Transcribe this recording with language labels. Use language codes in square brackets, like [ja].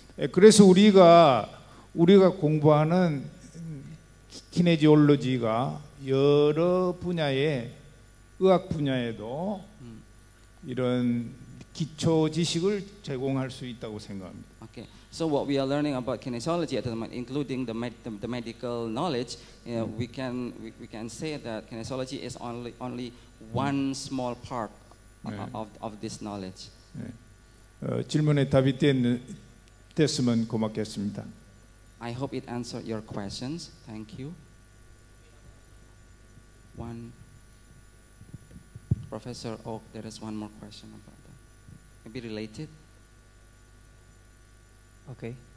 [ko] 그래서 우리가 공부하는 키네지올로지가 여러 분야의 의학 분야에도 이런 기초 지식을 제공할 수 있다고 생각합니다. [en] Okay. So what we are learning about kinesiology at the moment, including the medical knowledge, we can say that kinesiology is only one small part of this knowledge. [ko] 질문에 답이 됐으면 고맙겠습니다. [en] I hope it answered your questions. Thank you. one. Professor Oak, there is one more question about that. Maybe related? Okay.